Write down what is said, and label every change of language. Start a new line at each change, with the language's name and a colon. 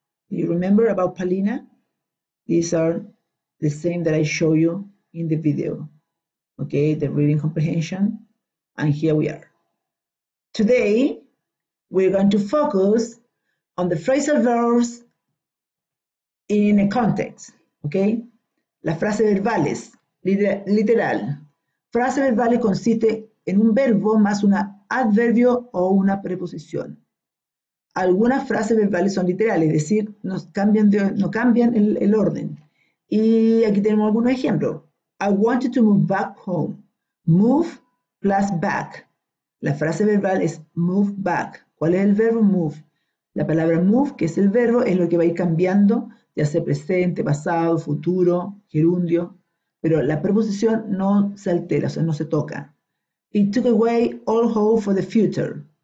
English: You remember about Paulina? These are the same that I show you in the video. Okay, the reading comprehension, and here we are. Today, we're going to focus on the phrasal verbs in a context, okay?
Spanish: Las frases verbales, literal. Frase verbal consiste en un verbo más un adverbio o una preposición. Algunas frases verbales son literales, es decir, no cambian el orden. Y aquí tenemos algunos ejemplos.
English: I wanted to move back home. Move plus back.
Spanish: La frase verbal es move back. ¿Cuál es el verbo? Move. La palabra move, que es el verbo, es lo que va a ir cambiando, ya sea presente, pasado, futuro, gerundio. Pero la preposición no se altera, o sea, no se toca.
English: It took away all hope for the future.